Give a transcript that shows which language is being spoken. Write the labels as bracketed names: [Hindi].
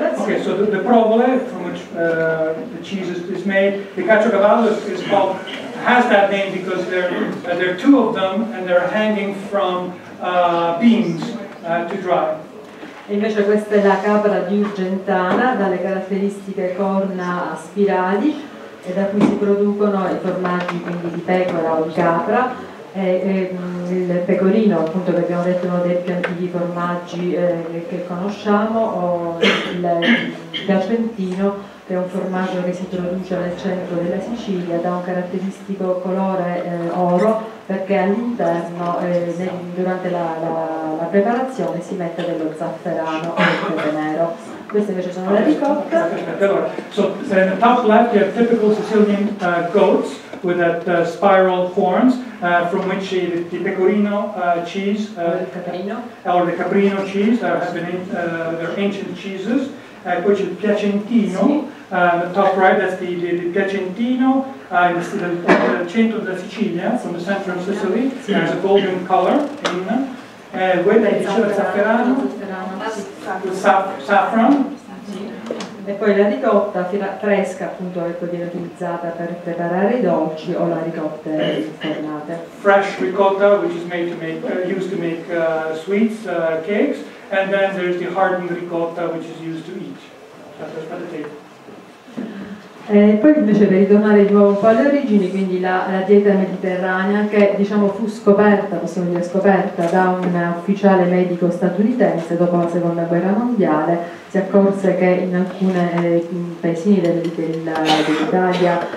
[English] Ok, so the provole from which the cheese is made, the caciocavallo is called, has that name because there are two of them and they're hanging from beams to dry. [Italian] Invece questa è la capra di Urgentana, dalle caratteristiche corna a spirali e da cui si producono i formaggi quindi di pecora o di capra. E il pecorino, appunto, che abbiamo detto, uno dei più antichi formaggi che conosciamo, o il piacentino, che è un formaggio che si produce nel centro della Sicilia, da un caratteristico colore oro, perché all'interno, durante la preparazione, si mette dello zafferano o del pepe nero. Queste invece sono le ricotte. [English] Allora, in the top left you have typical Sicilian goats with that spiral horns, from which the pecorino cheese, or the caprino cheese, have been their ancient cheeses, which is piacentino, the top right, that's the piacentino, the [Italian] centro della Sicilia, [English] from the center of Sicily, has a golden color, in, with the zafferano, saffron. [Italian] E poi la ricotta fresca, appunto, che viene utilizzata per preparare i dolci o la ricotta infornata. [English] Fresh ricotta, which is made to make, used to make sweets, cakes, and then there's the hardened ricotta, which is used to eat. [Italian] Poi invece per ritornare di nuovo un po' alle origini, quindi la dieta mediterranea che diciamo fu scoperta, possiamo dire scoperta, da un ufficiale medico statunitense dopo la seconda guerra mondiale, si accorse che in alcuni paesini dell'Italia